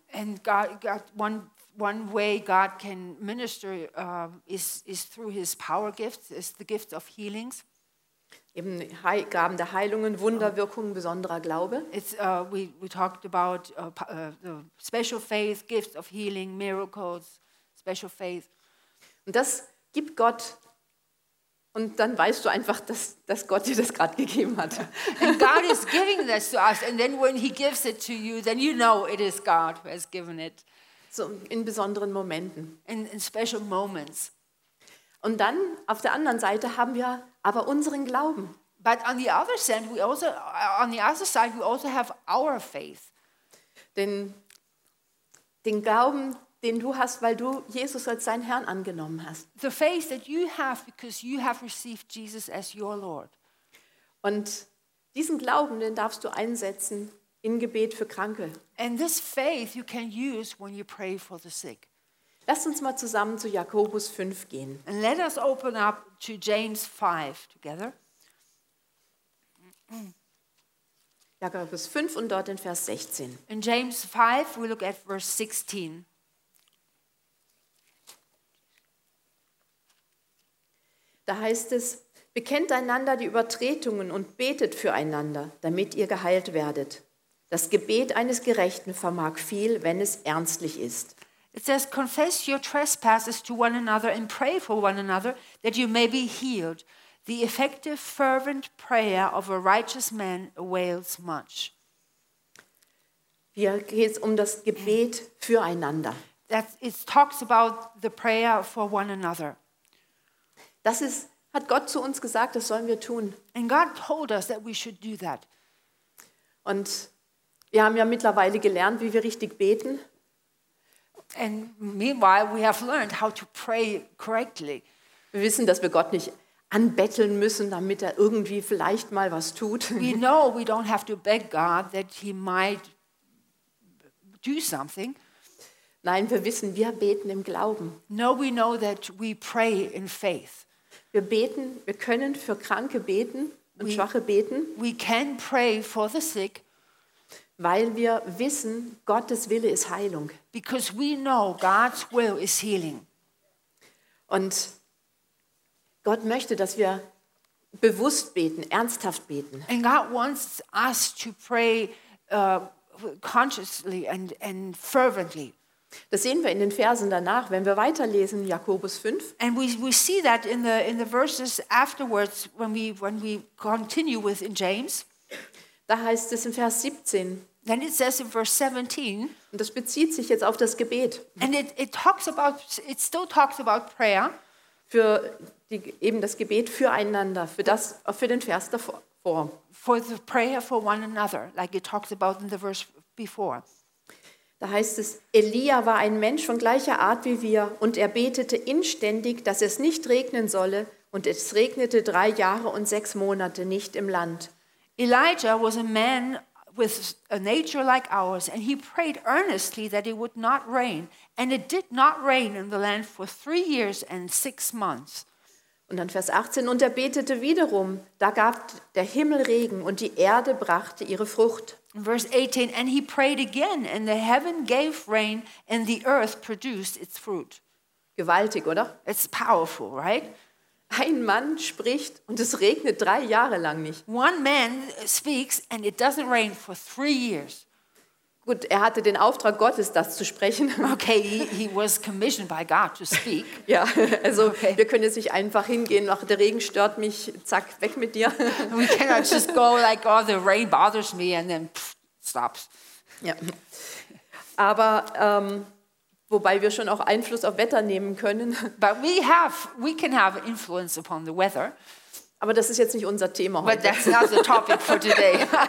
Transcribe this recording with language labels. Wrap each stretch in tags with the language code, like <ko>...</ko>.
<en>And God, one way God can minister is through his power gifts, is the gift of healings.</en> <de>Eben Gaben der Heilungen, Wunderwirkungen, besonderer Glaube.</de> <en>We talked about the special faith, gifts of healing, miracles, special faith.</en> <de>Und das gibt Gott. Und dann weißt du einfach, dass Gott dir das gerade gegeben hat.</de> <en>And God is giving this to us. And then when he gives it to you, then you know it is God who has given it.</en> <de>So in besonderen Momenten.</de> <en>In special moments.</en> <de>Und dann auf der anderen Seite haben wir aber unseren Glauben.</de> <en>But on the other side, we also have our faith.</en> <de>Den Glauben, den du hast, weil du Jesus als deinen Herrn angenommen hast.</de> <en>The faith that you have because you have received Jesus as your Lord.</en> <de>Und diesen Glauben, den darfst du einsetzen in Gebet für Kranke.</de> <en>And this faith you can use when you pray for the sick.</en> <de>Lasst uns mal zusammen zu Jakobus 5 gehen.</de> <en>And let us open up to James 5 together.</en> <de>Jakobus 5 und dort in Vers 16.</de> <en>In James 5 we look at verse 16.</en> <de>Da heißt es, bekennt einander die Übertretungen und betet füreinander, damit ihr geheilt werdet. Das Gebet eines Gerechten vermag viel, wenn es ernstlich ist.</de> <en>It says, confess your trespasses to one another and pray for one another, that you may be healed. The effective, fervent prayer of a righteous man avails much.</en> <de>Hier geht es um das Gebet füreinander.</de> <en>That it talks about the prayer for one another.</en> <de>Das ist, hat Gott zu uns gesagt, das sollen wir tun.</de> <en>And God told us that we should do that.</en> <de>Und wir haben ja mittlerweile gelernt, wie wir richtig beten.</de> <en>And meanwhile we have learned how to pray correctly.</en> <de>Wir wissen, dass wir Gott nicht anbetteln müssen, damit er irgendwie vielleicht mal was tut.</de> <en>We know we don't have to beg God that he might do something.</en> <de>Nein, wir wissen, wir beten im Glauben.</de> <en>No, we know that we pray in faith.</en> <de>Wir beten, wir können für Kranke beten. und Schwache beten.</de> <en>We can pray for the sick.</en> <de>Weil wir wissen, Gottes Wille ist Heilung.</de> <en>Because we know God's will is healing.</en> <de>Und Gott möchte, dass wir bewusst beten, ernsthaft beten.</de> <en>And God wants us to pray consciously and fervently.</en> <de>Das sehen wir in den Versen danach, wenn wir weiterlesen, Jakobus 5.</de> <en>And we see that in the verses afterwards when we continue with in James.</en> <de>Da heißt es in Vers 17.</de> <en>Then it says in verse 17.</en> <de>Und das bezieht sich jetzt auf das Gebet.</de> <en>And it still talks about prayer.</en> <de>Für die, eben das Gebet füreinander, für den Vers davor.</de> <en>For the prayer for one another, like it talks about in the verse before.</en> <de>Da heißt es, Elia war ein Mensch von gleicher Art wie wir und er betete inständig, dass es nicht regnen solle und es regnete 3 Jahre und 6 Monate nicht im Land.</de> <en>Elijah was a man with a nature like ours and he prayed earnestly that it would not rain and it did not rain in the land for 3 years and 6 months.</en> <de>Und dann Vers 18, und er betete wiederum, da gab der Himmel Regen und die Erde brachte ihre Frucht.</de> <en>Verse 18, and he prayed again, and the heaven gave rain, and the earth produced its fruit.</en> <de>Gewaltig, oder?</de> <en>It's powerful, right?</en> <de>Ein Mann spricht, und es regnet 3 Jahre lang nicht.</de> <en>One man speaks, and it doesn't rain for 3 years.</en> <de>Gut, er hatte den Auftrag Gottes, das zu sprechen.</de> <en>Okay, he was commissioned by God to speak.</en> <de>Ja, also okay. Wir können jetzt nicht einfach hingehen, ach, der Regen stört mich, zack, weg mit dir.</de> <en>We cannot just go like, oh, the rain bothers me and then stops.</en> <de>Ja, aber wobei wir schon auch Einfluss auf Wetter nehmen können.</de> <en>But we can have influence upon the weather.</en> <de>Aber das ist jetzt nicht unser Thema heute.</de> <en>But that's not the topic for today.</en>